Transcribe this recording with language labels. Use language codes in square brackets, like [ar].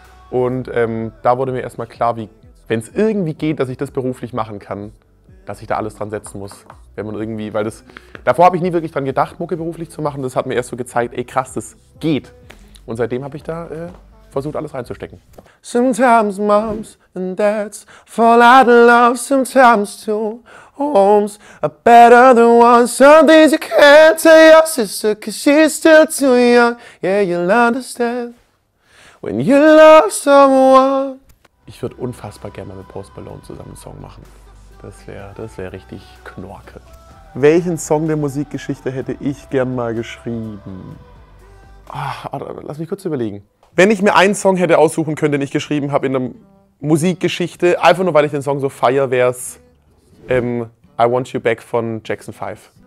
[de] Und da wurde mir erstmal klar, wie, wenn es irgendwie geht, dass ich das beruflich machen kann, dass ich da alles dran setzen muss. Wenn man irgendwie, weil das, davor habe ich nie wirklich dran gedacht, Mucke beruflich zu machen. Das hat mir erst so gezeigt, ey krass, das geht. Und seitdem habe ich da versucht, alles reinzustecken. [en] Sometimes moms and dads fall out of love. Sometimes two homes are better than one. Some things you can't tell your sister, cause she's still too young. Yeah, you'll understand. When you love someone. [de] Ich würde unfassbar gerne mal mit Post Malone zusammen einen Song machen. Das wäre richtig Knorke. Welchen Song der Musikgeschichte hätte ich gern mal geschrieben? Ach, lass mich kurz überlegen. Wenn ich mir einen Song hätte aussuchen können, den ich geschrieben habe in der Musikgeschichte, einfach nur weil ich den Song so feier, wäre es I Want You Back von Jackson 5.